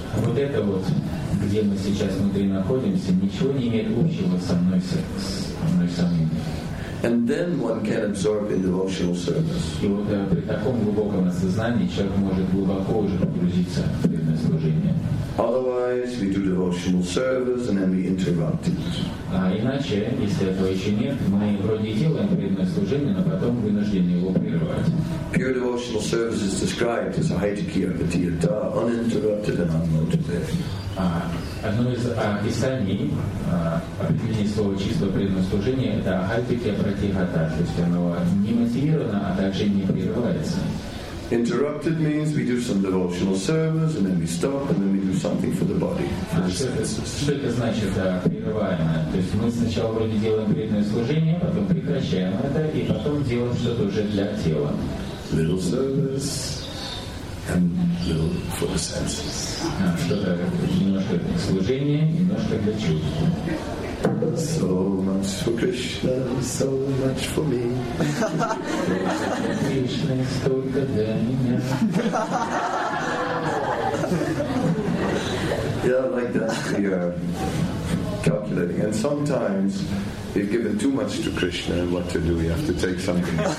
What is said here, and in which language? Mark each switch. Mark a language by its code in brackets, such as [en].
[ru] Вот это вот, где мы сейчас внутри находимся, ничего не имеет общего со мной самим. [en] And then one can absorb in devotional service. [ru] И вот при таком глубоком осознании человек может глубоко уже погрузиться в преданное служение. [en] Otherwise, we do devotional service and then we interrupt it. [ru] А иначе, если этого еще нет, мы вроде делаем преданное служение, но потом вынуждены его прерывать. [en] Pure devotional service is described as a haitikya patiyata, uninterrupted and unmotivated. [ru] Одно из описаний определения слова чистого преданного служения это haitikya pratihata, то есть оно не мотивировано, а также не прерывается. [en] Interrupted means we do some devotional service and then we stop and then we do something for the body. [ru] Что это значит, да, прерываемое? То есть мы сначала вроде делаем преданное служение, потом прекращаем это и потом делаем что-то уже для тела. [en] Little service and little for the senses. [ru] Немножко служение, немножко для чувств. [en] So much for Krishna, so much for me. [ru] Krishna is только для меня. [en] Yeah, like that we are calculating. And sometimes we've given too much to Krishna and what to do, we have to take something.